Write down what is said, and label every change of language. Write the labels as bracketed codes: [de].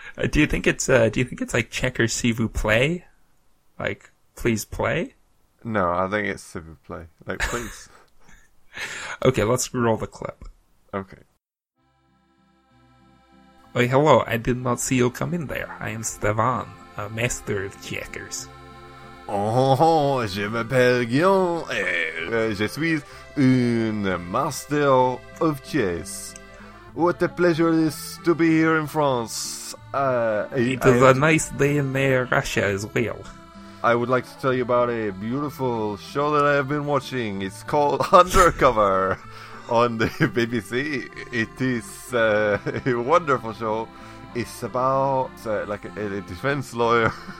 [en] Do you think it's like Checkers, [fr] s'il vous plaît? [en] Like, please play? No, I think it's [fr] s'il vous plaît. [en] Like, please. Okay, let's roll the clip. Okay. Oh, hello, I did not see you come in there. I am Stevan, a master of checkers. [fr] Oh, je m'appelle Guillaume et je suis un [en] master of chess. What a pleasure it is to be here in France. It is a nice day in Russia as well. I would like to tell you about a beautiful show that I have been watching. It's called Undercover. On the BBC, it is a wonderful show. It's about like a defense lawyer